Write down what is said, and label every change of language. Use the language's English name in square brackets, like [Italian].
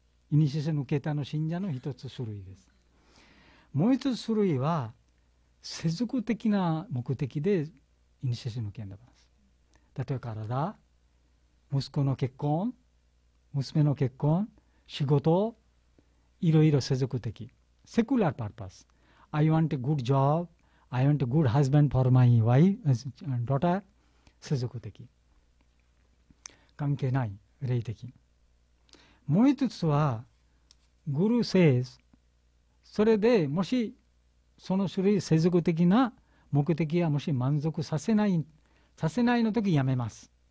[Japanese] イニシエーション受けたの信者の一つ種類です。もう一つ種類は、世俗的な目的でイニシエーション受けたの。例えば体、息子の結婚、娘の結婚、仕事、いろいろ世俗的。 [English] セクラルパーパス。I want a good job. I want a good husband for my wife and daughter. [Japanese] 世俗的。関係ない。霊的。もう一つは、グルー says、それでもしその種類世俗的な目的はもし満足させない。させないの時やめます。